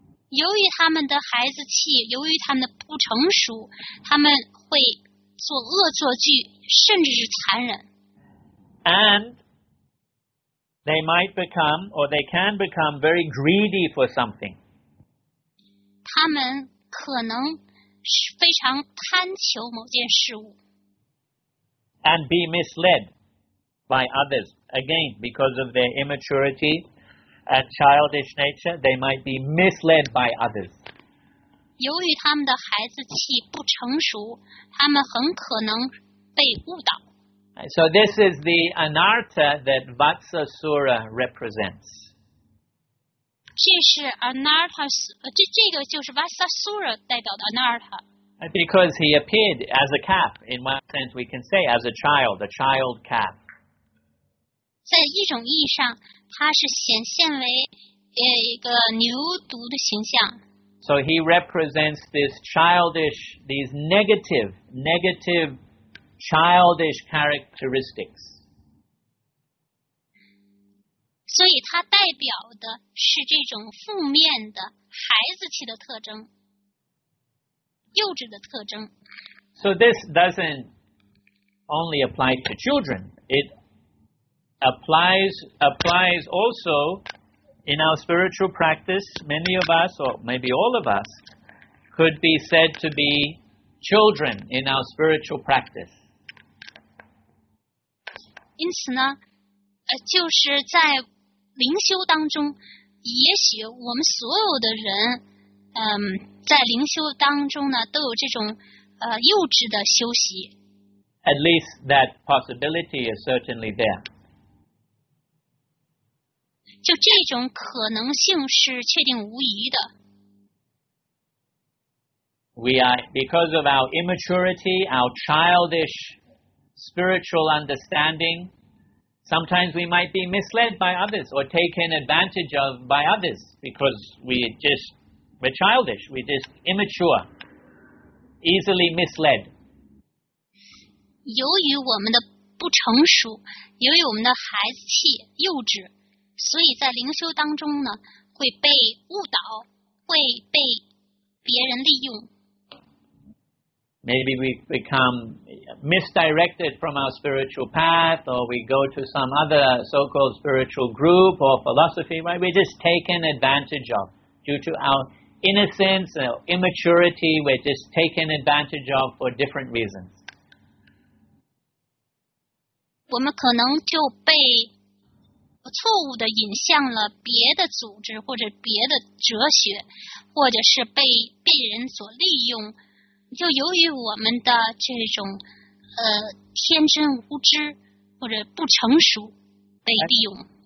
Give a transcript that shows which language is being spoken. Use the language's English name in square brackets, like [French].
[Chinese] 由于他们的孩子气，由于他们的不成熟，他们会做恶作剧，甚至是残忍。 [English] And they might become, or they can become, very greedy for something. [Chinese] 他们可能是非常贪求某件事物。 [English] And be misled by others. Again, because of their immaturity and childish nature, they might be misled by others. [Chinese] 由于他们的孩子气不成熟，他们很可能被误导。 [English] So this is the anartha that Vatsasura represents. [Chinese] 这是 Anartha, 这个就是 Vatsasura 代表的 Anartha. [English] Because he appeared as a calf. In one sense, we can say as a child calf. [Chinese] 在一种意义上，他是显现为一个牛犊的形象。 [English] So he represents this childish, these negative childish characteristics. [Chinese] 所以它代表的是这种负面的孩子气的特征，幼稚的特征。 [English] So this doesn't only apply to children. It applies also in our spiritual practice, many of us, or maybe all of us, could be said to be children in our spiritual practice. [Chinese] 因此呢，就是在灵修当中，也许我们所有的人，在灵修当中呢，都有这种幼稚的修习。 [English] At least that possibility is certainly there. [Chinese] 就这种可能性是确定无疑的。 [English] We are, because of our immaturity, our childish spiritual understanding, sometimes we might be misled by others or taken advantage of by others because we're childish, we're just immature, easily misled. [Chinese] 由于我们的不成熟，由于我们的孩子气、幼稚。所以在灵修当中呢，会被误导，会被别人利用。 [English] Maybe we become misdirected from our spiritual path, or we go to some other so-called spiritual group or philosophy, right? We're just taken advantage of. Due to our innocence, our immaturity, we're just taken advantage of for different reasons. [Chinese] 我们可能就被错误地引向了别的组织或者别的哲学或者是被人所利用就由于我们的这种天真无知或者不成熟被利用